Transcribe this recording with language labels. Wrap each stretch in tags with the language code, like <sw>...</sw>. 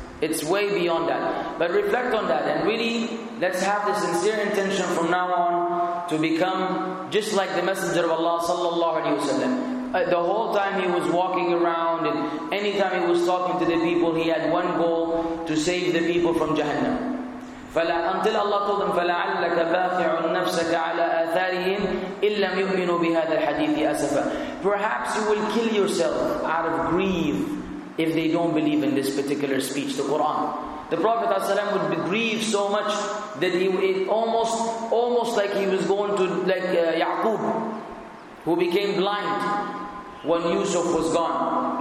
<en>It's way beyond that. But reflect on that, and really, let's have the sincere intention from now on to become just like the Messenger of Allah sallallahu alayhi wasallam. The whole time he was walking around, and anytime he was talking to the people, he had one goal, to save the people from Jahannam. Until Allah told him,</en> <ar>فَلَعَلَّكَ بَاخِعُ نَفْسَكَ عَلَىٰ آثَارِهِمْ إِلَّا لَمْ يُؤْمِنُوا بِهَذَا الْحَدِيثِ أَسَفًا.</ar> <en>Perhaps you will kill yourself out of grief if they don't believe in this particular speech, the Quran. The Prophet ﷺ would be grieved so much that it almost like he was going to, like Ya'qub, who became blind when Yusuf was gone.</en>